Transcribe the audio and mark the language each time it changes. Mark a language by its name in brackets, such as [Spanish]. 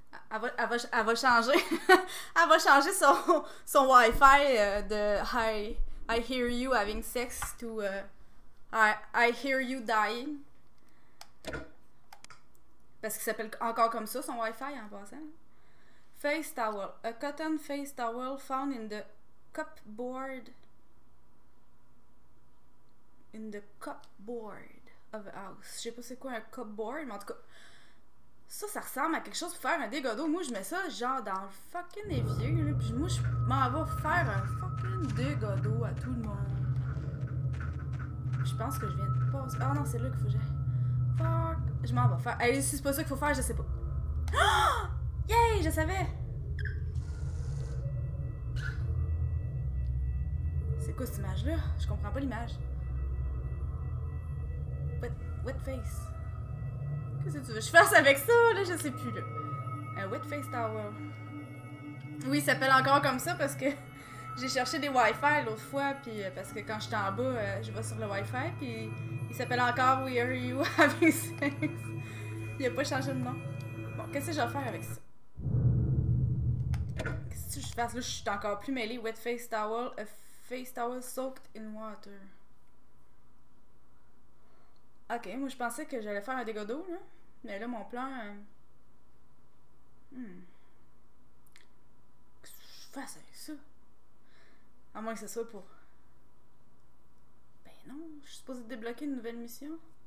[French] Elle va changer. Elle va changer son Wi-Fi de [English] I hear you having sex to I hear you dying. [French] Parce qu'il s'appelle encore comme ça, son Wi-Fi, en passant. [English] Face towel. A cotton face towel found in the cupboard. In the cupboard of a house. [French] Je sais pas c'est quoi un cupboard, mais en tout cas... Ça ressemble à quelque chose pour faire un dégât d'eau. Moi, je mets ça genre dans le fucking évier. Là, puis moi, je m'en vais faire un fucking dégât d'eau à tout le monde. Je pense que je viens de passer... Ah non, c'est là qu'il faut que j'aille. Fuck. Je m'en vais faire. Allez, si c'est pas ça qu'il faut faire, je sais pas. Oh! Yay! Je savais! C'est quoi cette image-là? Je comprends pas l'image. Wet face. Qu'est-ce que tu veux que je fasse avec ça? Là, je sais plus. Là. Un wet face tower. Oui, ça s'appelle encore comme ça parce que j'ai cherché des Wi-Fi l'autre fois. Puis parce que quand j'étais en bas, je vais sur le Wi-Fi. Puis. Il s'appelle encore We Are You Having Sex. Il a pas changé de nom. Bon, qu'est-ce que je vais faire avec ça? Qu'est-ce que je fasse? Là, je suis encore plus mêlée. [English] Wet face towel. A face towel soaked in water. [French] Ok, moi je pensais que j'allais faire un dégât d'eau, là. Mais là, mon plan. Qu'est-ce que je fasse avec ça? À moins que ce soit pour. Non, je suis supposée débloquer une nouvelle mission.